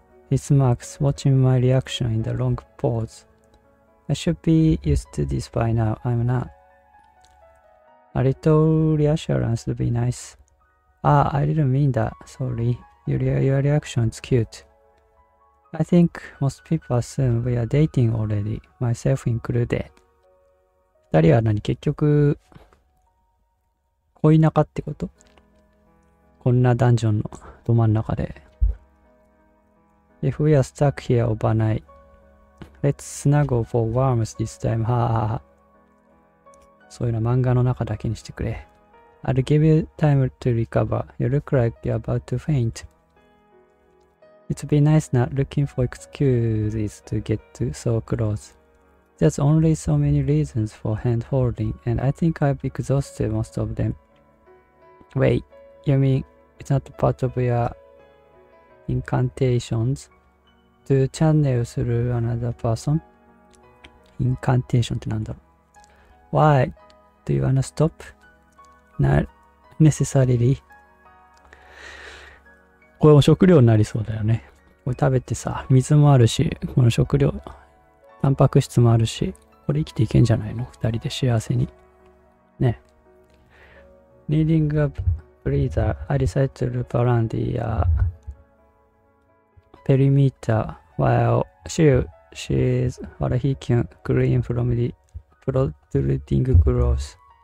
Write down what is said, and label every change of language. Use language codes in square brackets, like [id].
[en] It's Max watching my reaction in the long pause. I should be used to this by now. I'm not. A little reassurance would be nice. Ah, I didn't mean that. Sorry. Your reaction is cute. I think most people assume we are dating already, myself included. [ja] 二人は何、結局恋仲ってこと？こんなダンジョンのど真ん中で。 [en] If we are stuck here overnight, let's snuggle for warmth this time. [ja] はぁはぁ、そういうの漫画の中だけにしてくれ。 [en] I'll give you time to recover. You look like you're about to faintIt'd be nice not looking for excuses to get to so close. There's only so many reasons for hand-holding, and I think I've exhausted most of them. Wait, you mean it's not part of your incantations to channel through another person? [ja] Incantation ってなんだろう。 [en] Why? Do you wanna stop? Not necessarily. [ja] これも食料になりそうだよね。これ食べてさ、水もあるし、この食料、タンパク質もあるし、これ生きていけんじゃないの？二人で幸せに。ね。 [en] Needing a breather, I decided to loop around the perimeter while she's what he can clean from the protruding growth.